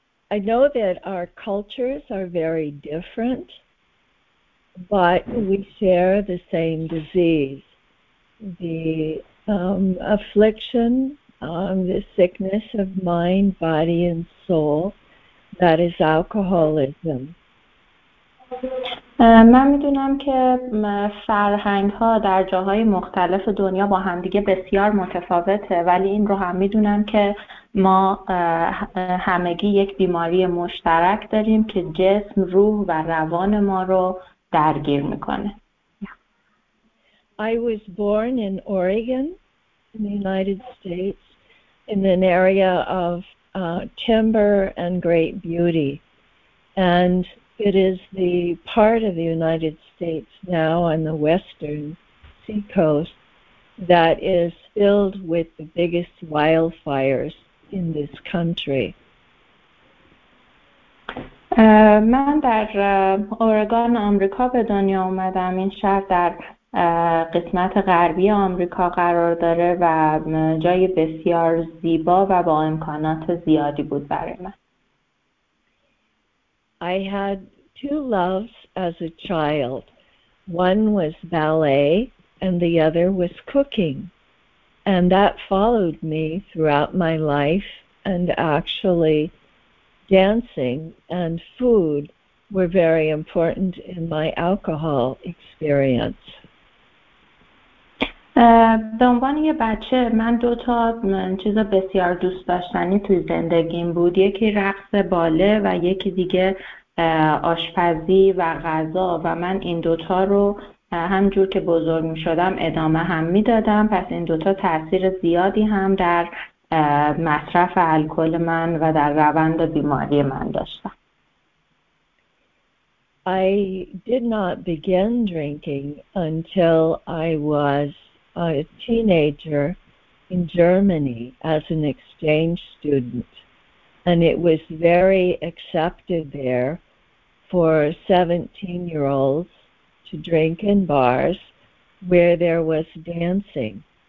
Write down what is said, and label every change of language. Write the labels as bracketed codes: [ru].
[en] I know that our cultures are very different, but we share the same disease, the affliction, the sickness of mind, body, and soul, that is alcoholism. [fa] من میدونم که فرهنگ ها در جاهای مختلف دنیا با همدیگه بسیار متفاوته، ولی این رو هم میدونم که ما همگی یک بیماری مشترک داریم که جسم، روح و روان ما رو درگیر میکنه. [en] I was born in Oregon in the United States in an area of timber and great beauty, and it is the part of the United States now on the western seacoast that is filled with the biggest wildfires in this country. [fa] من در اورگان آمریکا به دنیا اومدم. این شهر در قسمت غربی آمریکا قرار داره و جای بسیار زیبا و با امکانات زیادی بود برای من. [en] I had two loves as a child. One was ballet and the other was cooking. And that followed me throughout my life, and actually dancing and food were very important in my alcohol experience. [fa] به عنوان یه بچه من دو تا چیز بسیار دوست داشتنی توی زندگیم بود، یکی رقص باله و یکی دیگه آشپزی و غذا، و من این دوتا رو همجور که بزرگ می شدم ادامه هم می دادم. پس این دوتا تأثیر زیادی هم در مصرف الکل من و در روند بیماری من داشتم. [en] I did not begin drinking until I was a teenager in Germany as an exchange student, and it was very accepted there for 17-year-olds to drink in bars where there was dancing.